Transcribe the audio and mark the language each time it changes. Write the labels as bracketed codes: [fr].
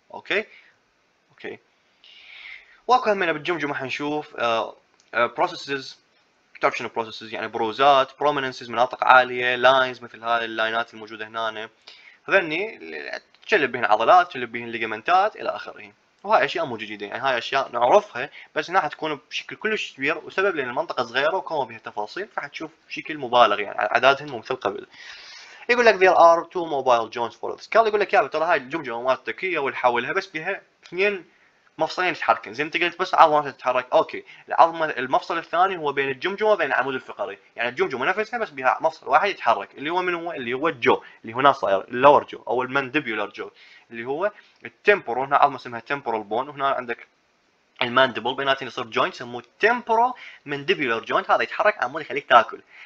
[ar] اوكي. واكو همنا بالجمجمه حنشوف بروسيسز، تعرف شنو بروسيسز؟ يعني بروزات، بروميننسز مناطق عاليه، لاينز مثل هاي اللاينات الموجوده هنا، هذني تشلب بهن عضلات، تشلب بهن ليجمنتات الى اخره. وهاي اشياء مو جديده، يعني هاي اشياء نعرفها بس انها حتكون بشكل كلش كبير، وسبب لان المنطقه صغيره وكما بها تفاصيل، فحتشوف بشكل مبالغ يعني اعدادهم مثل قبل. يقول لك [en] there are two mobile joints for the skull. [ar] يقول لك يا ترى هاي الجمجمه مالتك هي واللي حولها بس بها اثنين مفصلين يتحركن، زين انت قلت بس عظمه تتحرك، اوكي العظمه المفصل الثاني هو بين الجمجمه وبين العمود الفقري، يعني الجمجمه نفسها بس بها مفصل واحد يتحرك، اللي هو من هو؟ اللي هو الجو، اللي هنا صاير اللور جو او المانديبولر جو، اللي هو التمبورال، هنا عظمه اسمها تمبورال بون، وهنا عندك المانديبول، بيناتهم يصير جوينت يسموه تمبورال مانديبولر جوينت، هذا يتحرك على مود يخليك تاكل.